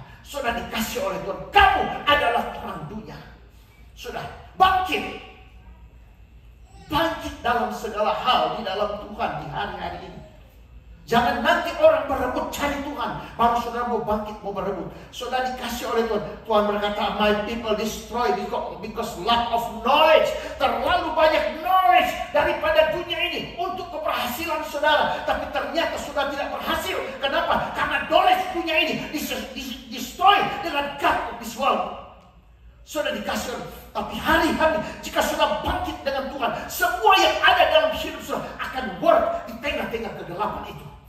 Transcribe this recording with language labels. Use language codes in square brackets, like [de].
[id] Sudah dikasih oleh Tuhan, kamu adalah terang dunia. Sudah bangkit. Bangkit dalam segala hal di dalam Tuhan di hari-hari ini. Jangan nanti orang berebut cari Tuhan, baru saudara mau bangkit, mau berebut. Saudara dikasih oleh Tuhan. Tuhan berkata, [en] my people destroyed because lack of knowledge. [id] Terlalu banyak knowledge daripada dunia ini untuk keberhasilan saudara. Tapi ternyata saudara tidak berhasil. Kenapa? Karena knowledge dunia ini destroy dengan [en] God of this world. [id] Saudara dikasih oleh Tuhan. Tapi hari-hari jika saudara bangkit dengan Tuhan, semua yang ada dalam hidup saudara akan work di tengah-tengah kegelapan itu.